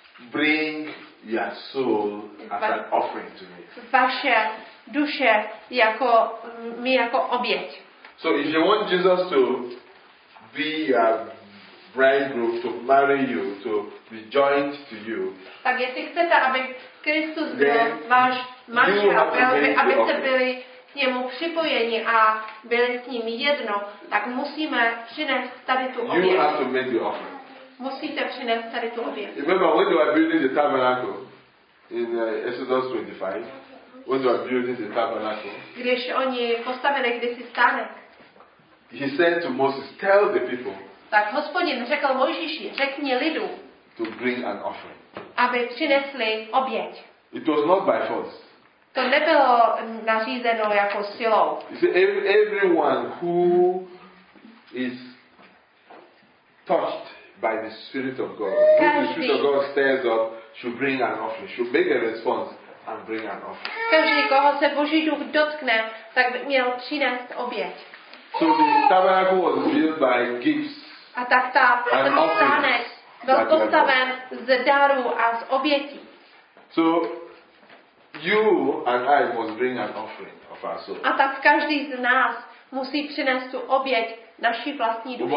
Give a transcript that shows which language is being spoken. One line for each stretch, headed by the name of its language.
English: Bring your soul as an offering to me.
Czech: Vaše duše jako mi jako oběť.
English: So if you want Jesus to be a bridegroom, to marry you, to be joined to you.
Czech: Tak jestli chcete, aby Kristus byl váš manžel, abyste byli k němu připojeni a byli s ním jedno, tak musíme přinést tady tu oběť.
English: You have to make the offering.
Czech: Musíte přinést tady tu oběť.
English: Remember when they were building the tabernacle in Exodus 25, when they were building the tabernacle.
Czech: Když oni postavili kdysi stánek.
English: He said to Moses, tell the people.
Czech: Tak Hospodin řekl Mojžíši, řekni lidu.
English: To bring an offering.
Czech: Aby přinesli oběť.
English: It was not by force.
Czech: To nebylo nařízeno jako silou.
English: Everyone who is touched by the Spirit of God,
Czech: každý,
English: the Spirit of God stirs up, should bring an offering, should make a response and bring an offering.
Czech: Každý, koho se Boží duch dotkne, tak by měl přinést oběť.
English: So the tabernacle was built by gifts.
Czech: A tak ta stánek byl postaven z darů a z obětí.
English: So you and I must bring an offering of our soul.
Czech: A tak každý z nás musí přinést tu oběť naší vlastní duše.